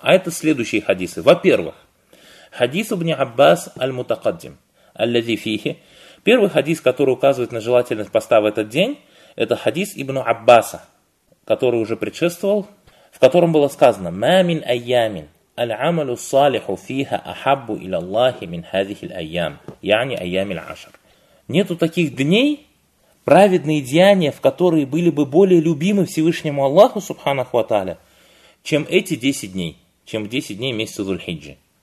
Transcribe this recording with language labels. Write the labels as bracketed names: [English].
[Russian] А это следующие хадисы. Во-первых, хадис ибн Аббас аль-Мутакаддим, аль-Лязи фихи. Первый хадис, который указывает на желательность поста в этот день, это хадис ибн Аббаса, который уже предшествовал, в котором было сказано «Ма мин айямин». [Arabic] العمل الصالح فيها أحب إلى الله من هذه الأيام. يعني أيام العشر. [Russian] Нету таких дней, праведные деяния, в которые были бы более любимы Всевышнему Аллаху, Субханаху ва Тааля, чем эти 10 дней, чем 10 дней месяца Зульхиджи.